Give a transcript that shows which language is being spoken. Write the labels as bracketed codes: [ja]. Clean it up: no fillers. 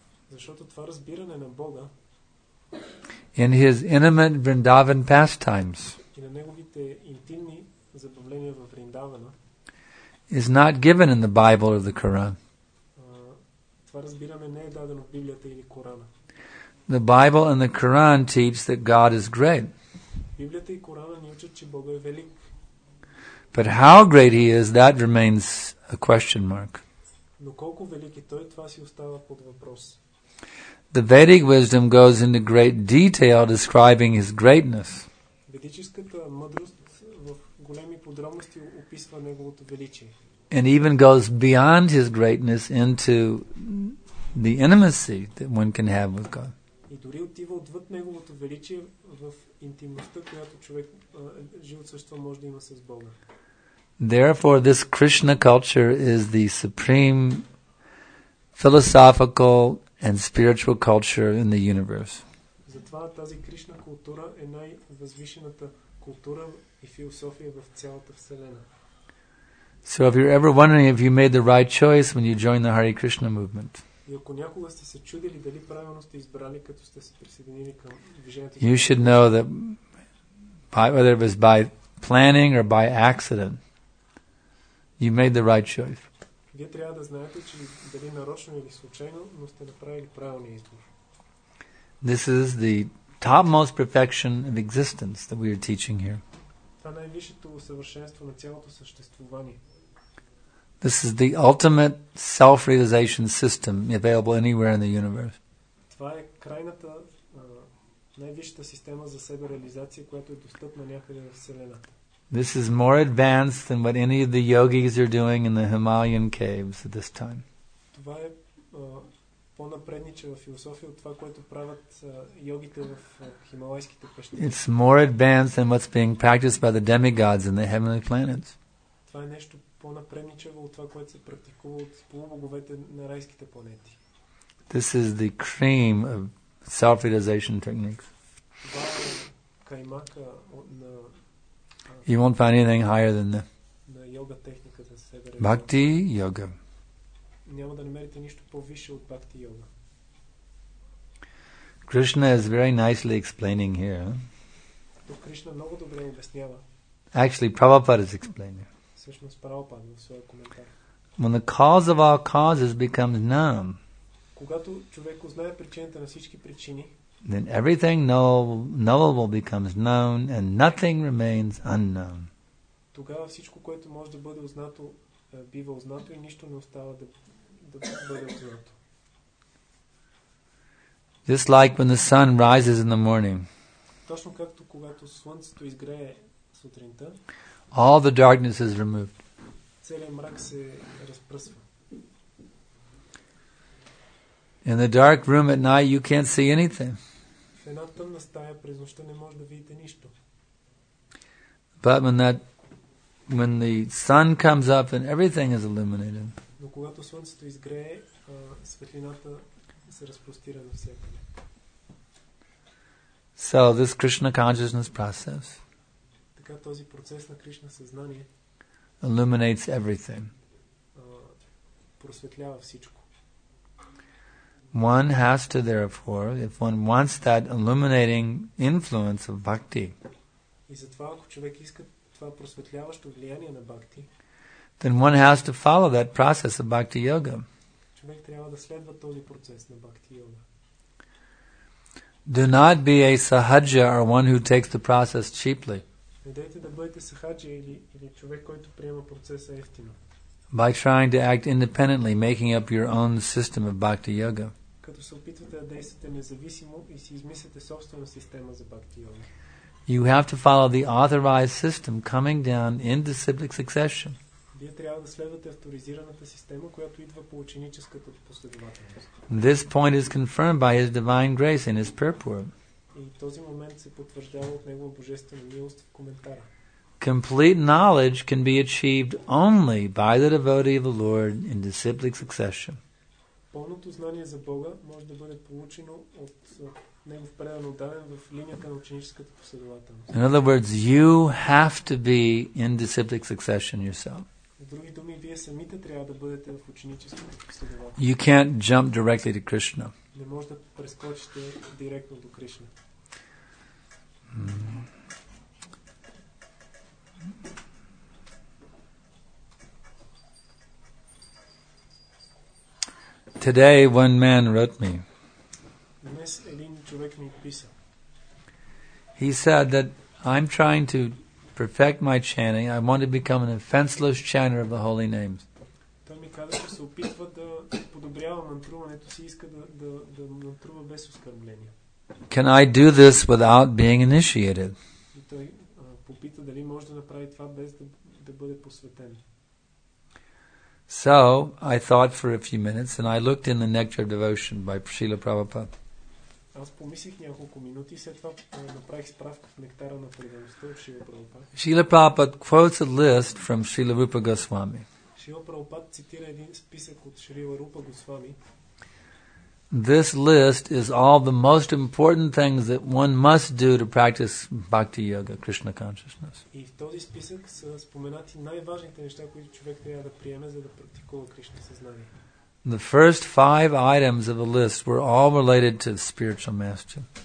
[bg] защото това разбиране на Бога, [en] in his intimate Vrindavan pastimes, [bg] и на неговите интимни забавления във Вриндавана, [en] is not given in the Bible or the Quran. [bg] Това разбиране не е дадено в Библията или Корана. [en] The Bible and the Quran teach that God is great. [bg] Библията и Корана ни учат, че Бог е велик. [en] But how great he is, that remains a question mark. [bg] Но колко велики той, това си остава под въпрос. [en] The Vedic wisdom goes into great detail describing his greatness. [bg] Ведическата мъдрост в големи подробности описва неговото величие. [en] And even goes beyond his greatness into the intimacy that one can have with God. [bg] И дори отива отвъд неговото величие в интимността, която човек живот също може да има с Бога. [en] Therefore, this Krishna culture is the supreme philosophical and spiritual culture in the universe. [bg] Затова тази Кришна култура е най-възвишената култура и философия в цялата вселена. [en] So if you're ever wondering if you made the right choice when you joined the Hare Krishna movement, [bg] и ако някога сте се чудили дали правилно сте избрали, като сте се присъединили към движението, [en] you should know that by, whether it was by planning or by accident, you made the right choice. [bg] Вие трябва да знаете, че дали нарочно или случайно, но сте направили правилния избор. [en] This is the topmost perfection of existence that we are teaching here. [bg] Това е най-висшето усъвършенство на цялото съществуване. [en] This is the ultimate self-realization system available anywhere in the universe. [bg] Това е крайната най-висшата система за себе-реализация, която е достъпна някъде в вселената. [en] This is more advanced than what any of the yogis are doing in the Himalayan caves at this time. [bg] Това е по-напредничава философия от това, което правят йогите в Хималайските пещери. [en] It's more advanced than what's being practiced by the demigods in the heavenly planets. [bg] Това е нещо по-напредничаво от това, което се практикува от полубоговете на райските планети. [en] This is the cream of self-realization techniques. [bg] Това е каймака на. [en] You won't find anything higher than the yoga technique [bg] за себе. Бхакти йога. Няма да намерите нищо по-висше от бхакти йога. [en] Krishna is very nicely explaining here. [bg] Тук Кришна много добре обяснява. [en] Actually, Prabhupada is explaining. [bg] Всъщност Прабхупада в своя коментар. [en] When the cause of all causes becomes known. [bg] Когато човек узнае причината на всички причини, [en] then everything knowable becomes known and nothing remains unknown. [bg] Тогава всичко, което може да бъде узнато, бива узнато и нищо не остава да бъде узнато. [en] Just like when the sun rises in the morning. [bg] Точно както когато слънцето изгрее сутринта. [en] All the darkness is removed. [bg] Целият мрак се разпръсва. [en] In the dark room at night you can't see anything. [bg] В една тъмна стая през нощта не може да видите нищо. [en] But when the sun comes up and everything is illuminated. [bg] Но когато слънцето изгрее, светлината се разпростира навсякъде. [en] So this Krishna consciousness process. [bg] Така този процес на Кришна съзнание. [en] Illuminates everything. [bg] Просветлява всичко. [en] One has to therefore, if one wants that illuminating influence of bhakti, [bg] и затова, ако човек иска това просветляващо влияние на бхакти, [en] then one has to follow that process of bhakti yoga. [bg] Човек трябва да следва този процес на бхакти йога. [en] Do not be a sahaja or one who takes the process cheaply. [bg] Недейте да бъдете сахаджа или човек, който приема процеса евтино. [en] By trying to act independently, making up your own system of bhakti yoga. [bg] Като се опитвате да действате независимо и си измислите собствена система за бхакти йога. [en] You have to follow the authorized system coming down in disciplic succession. [bg] Вие трябва да следвате авторизираната система, която идва по ученическата последователност. [en] This point is confirmed by His divine grace in His purport. [bg] И този момент се потвърждава от Негова божествена милост в коментара. [en] Complete knowledge can be achieved only by the devotee of the Lord in disciplic succession. [bg] Пълното знание за Бога може да бъде получено от Негов предан отдаден в линията на ученическата последователност. [en] In other words, you have to be in disciplic succession yourself. [bg] В други думи, вие самите трябва да бъдете в ученическата последователност. [en] You can't jump directly to Krishna. [bg] Не може да прескочите директно до Кришна. [en] Today one man wrote me. [bg] Днес един човек ми писа. [en] He said that I'm trying to perfect my chanting. I want to become an offenseless chanter of the holy names. [bg] Той ми каза, че се опитва да подобрява мантруването си, иска да мантрува без оскърбления. [en] Can I do this without being initiated? [bg] Той попита дали може да направи това без да бъде посветен. [en] So, I thought for a few minutes and I looked in the Nectar of Devotion by Srila Prabhupada. [bg] Аз помислих няколко минути, след това направих справка в Нектара на преданността от Шрила Прабхупад. [en] Шрила Прабхупад quotes a list from Шрила Рупа Госвами. [bg] Шрила Прабхупад цитира един списък от Шрила Рупа Госвами. [en] This list is all the most important things that one must do to practice bhakti yoga, Krishna consciousness. [bg] И в този списък са споменати най-важните неща, които човек трябва да приеме, за да практикува Кришна съзнание. [en] The first five items of the list were all related to spiritual master.